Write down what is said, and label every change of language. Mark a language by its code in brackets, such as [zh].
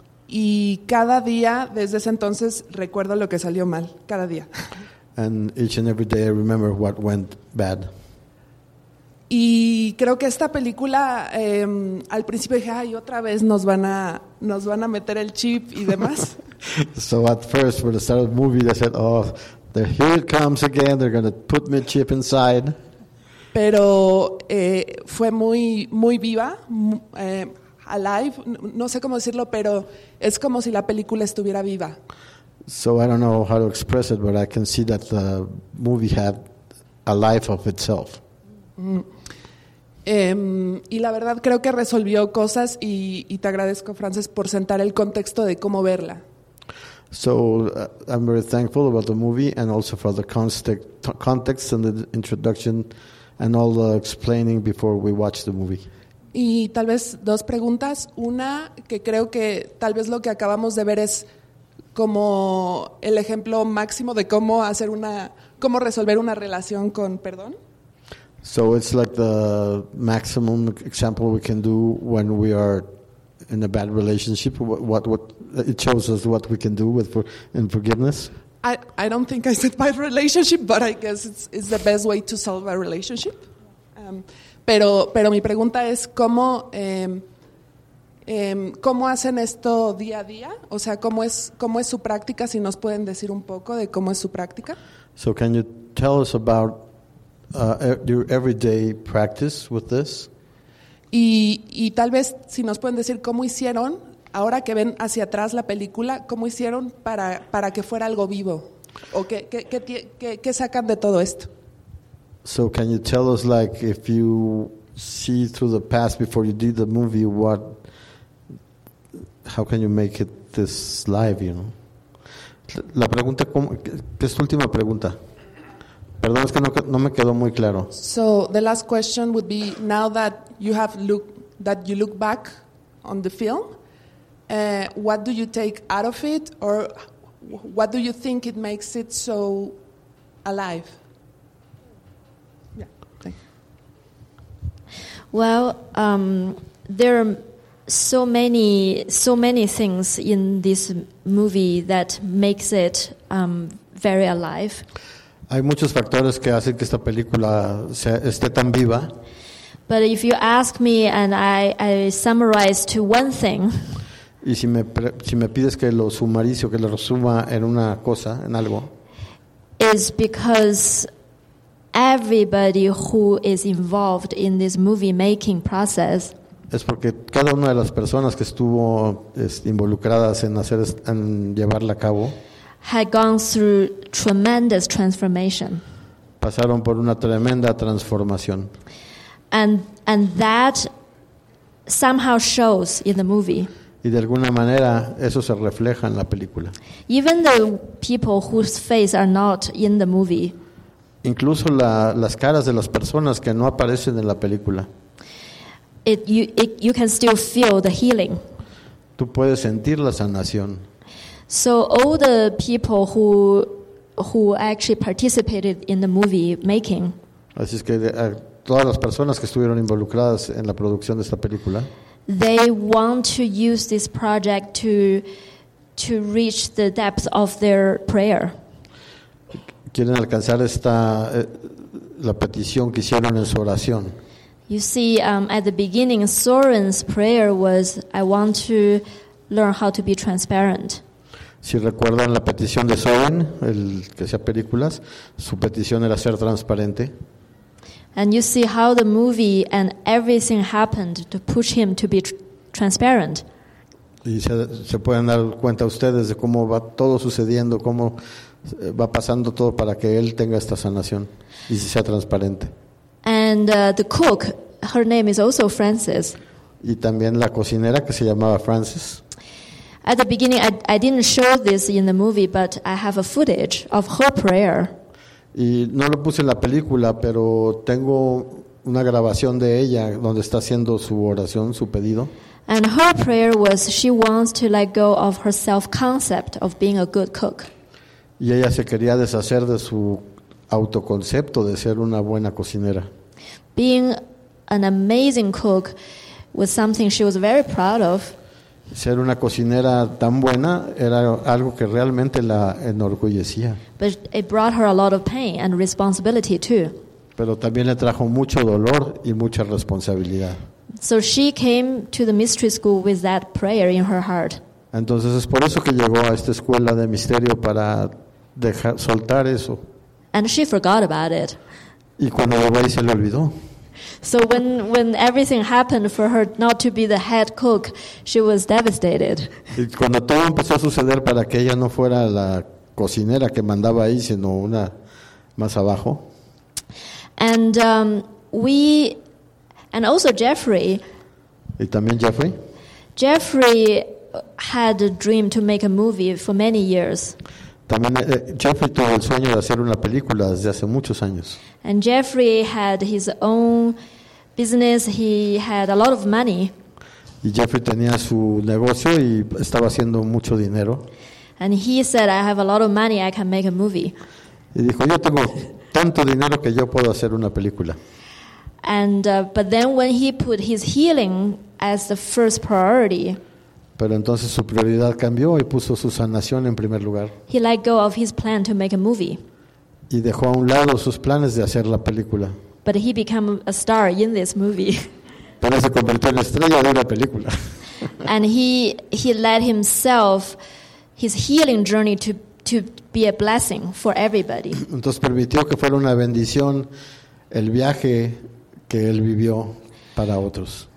[es] Y cada día desde ese entonces recuerdo lo que salió mal, cada día. [en] And each and every day I remember what went bad. [es] Y creo que esta película, al principio dije, ay, otra vez nos van a meter el chip y demás. [en] So at first, when I started the movie, they said, oh, here it comes again, they're going to put me a chip inside. [es] Pero fue muy, muy viva, [en] alive, [es] no sé cómo decirlo, pero es como si la película estuviera viva. [en] So I don't know how to express it, but I can see that the movie had a life of itself. [es] Y la verdad creo que resolvió cosas y te agradezco, Frances, por sentar el contexto de cómo verla. [en] So I'm very thankful about the movie and also for the context and the introduction and all the explaining before we watch the movie. [es] Y tal vez dos preguntas. Una, que creo que tal vez lo que acabamos de ver es como el ejemplo máximo de cómo hacer una, cómo resolver una relación con perdón. [en] So it's like the maximum example we can do when we are in a bad relationship. What it shows us what we can do with in forgiveness. I don't think I said bad relationship, but I guess it's the best way to solve a relationship. [es] Pero mi pregunta es cómo cómo hacen esto día a día, o sea, cómo es su práctica, si nos pueden decir un poco de cómo es su práctica. [en] So can you tell us about your everyday practice with this? [es] Y tal vez si nos pueden decir cómo hicieron ahora que ven hacia atrás la película, cómo hicieron para que fuera algo vivo, o qué sacan de todo esto. [en] So can you tell us, like, if you see through the past before you did the movie, what, how can you make it this live, you know? [es] La pregunta, ¿qué es tu última pregunta? Perdón, es que no me quedó muy claro. [en] So the last question would be, now that you have looked, that you look back on the film, what do you take out of it, or what do you think it makes it so alive? Well, there are so many things in this movie that makes it very alive. [es] Hay muchos factores que hacen que esta película esté tan viva. [en] But if you ask me and I summarize to one thing. [es] Y si me pides que lo sumarice o que lo resuma en una cosa, en algo. [en] Is because everybody who is involved in this movie making process. [es] Es porque cada una de las personas que estuvo involucradas en hacer en llevarla a cabo. [en] Had gone through tremendous transformation. [es] Pasaron por una tremenda transformación. [en] And that somehow shows in the movie. [es] Y de alguna manera eso se refleja en la película. [en] Even the people whose face are not in the movie. [es] Incluso las caras de las personas que no aparecen en la película. [en] You can still feel the healing. [es] Tú puedes sentir la sanación. [en] So all the people who actually participated in the movie making. [es] Así es que todas las personas que estuvieron involucradas en la producción de esta película. [en] They want to use this project to reach the depth of their prayer. [es] Quieren alcanzar esta la petición que hicieron en su oración. [en] You see, at the beginning, Soren's prayer was, "I want to learn how to be transparent." [es] Si recuerdan la petición de Soren, el que hacía películas, su petición era ser transparente. [en] And you see how the movie and everything happened to push him to be transparent. [es] Y se pueden dar cuenta ustedes de cómo va todo sucediendo, cómo va pasando todo para que él tenga esta sanación y sea transparente. [en] And the cook, her name is also Frances. [es] Y también la cocinera que se llamaba Frances. [en] At the beginning, I didn't show this in the movie, but I have a footage of her prayer. [es] Y no lo puse en la película, pero tengo una grabación de ella donde está haciendo su oración, su pedido. [en] And her prayer was she wants to let go of her self-concept of being a good cook. [es] Y ella se quería deshacer de su autoconcepto de ser una buena cocinera. [en] Being an amazing cook was something she was very proud of. [es] Ser una cocinera tan buena era algo que realmente la enorgullecía. [en] But it brought her a lot of pain and responsibility too. [es] Pero también le trajo mucho dolor y mucha responsabilidad. [en] So she came to the mystery school with that prayer in her heart. [es] Entonces es por eso que llegó a esta escuela de misterio, para dejar soltar eso. [en] And she forgot about it. [es] Y cuando llegó ahí se le olvidó. [en] So when everything happened for her not to be the head cook, she was devastated. [es] Y cuando todo empezó a suceder para que ella no fuera la cocinera que mandaba ahí, sino una más abajo. [en] And and also Jeffrey. [es] Y también Jeffrey. [en] Jeffrey had a dream to make a movie for many years. [es] También Jeffrey tuvo el sueño de hacer una película desde hace muchos años. [en] And Jeffrey had his own business. He had a lot of money. [es] Y Jeffrey tenía su negocio y estaba haciendo mucho dinero. [en] And he said, I have a lot of money, I can make a movie. [es] Y dijo, yo tengo tanto dinero que yo puedo hacer una película. [en] And but then when he put his healing as the first priority, [es] pero entonces su prioridad cambió y puso su sanación en primer lugar. [en] He let go of his plan to make a movie. [es] Y dejó a un lado sus planes de hacer la película. [en] But he became a star in this movie. [es] Pero se convirtió en la estrella de una película. [en] And he let himself, his healing journey to be a blessing for everybody. [es] Entonces permitió que fuera una bendición el viaje que él vivió para otros.